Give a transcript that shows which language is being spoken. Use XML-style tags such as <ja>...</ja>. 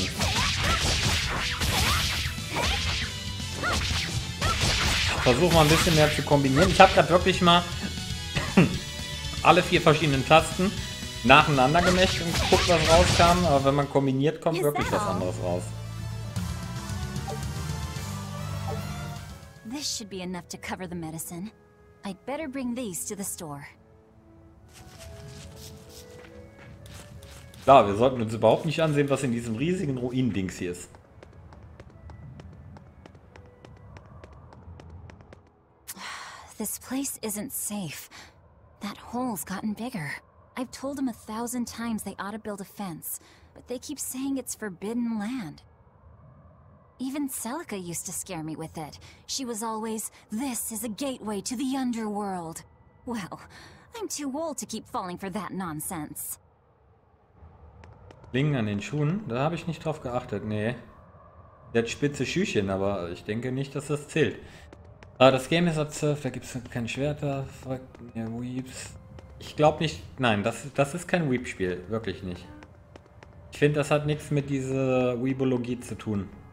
<de>Ich versuche mal ein bisschen mehr zu kombinieren. Ich habe gerade wirklich mal alle vier verschiedenen Tasten nacheinander gemacht und geguckt, was rauskam, aber wenn man kombiniert, kommt wirklich was anderes raus.</de> <en>This should be enough to cover the medicine. I'd better bring these to the store.</en> <de>Klar, wir sollten uns überhaupt nicht ansehen, was in diesem riesigen Ruinendings hier ist.</de> <en>This place isn't safe. That hole's gotten bigger. I've told them 1,000 times they ought to build a fence, but they keep saying it's forbidden land. Even Celica used to scare me with it. She was always, this is a gateway to the underworld. Well, I'm too old to keep falling for that nonsense.</en> <de>Klingen an den Schuhen? Da habe ich nicht drauf geachtet, nee. Der hat spitze Schüchen, aber ich denke nicht, dass das zählt. Ah, das Game ist absurd, da gibt es kein Schwerter. Fragt mir Weeps. Ich glaube nicht. Nein, das ist kein Weeb-Spiel. Wirklich nicht. Ich finde, das hat nichts mit dieser Weebologie zu tun.</de>